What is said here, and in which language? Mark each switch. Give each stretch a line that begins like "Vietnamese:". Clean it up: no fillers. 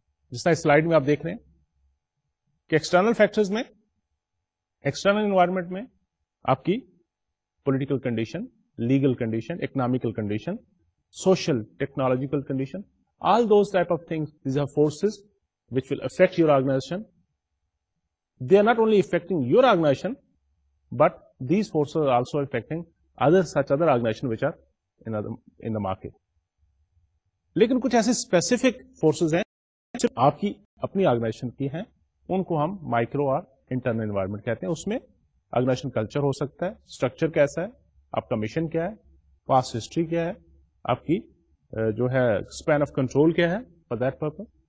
Urdu: جس طرح سلائڈ میں آپ دیکھ رہے ہیں کہ ایکسٹرنل فیکٹرز میں, ایکسٹرنل انوائرمنٹ میں آپ کی political condition, legal condition, economical condition, social technological condition,
English: All those type of things, these are forces which will affect your organization. They are not only affecting your organization but these forces are also affecting other such other organization which are in the market.
Urdu: لیکن کچھ ایسے specific forces ہیں آپ کی اپنی organization کی ہیں, ان کو ہم مائکرو اور انٹرنل انوائرمنٹ کہتے ہیں. اس میں آرگنائزیشن کلچر ہو سکتا ہے, اسٹرکچر کیسا ہے, آپ کا مشن کیا ہے, پاسٹ ہسٹری کیا ہے, آپ کی جو ہے اسپین آف کنٹرول کیا ہے فار دیٹ پرپز.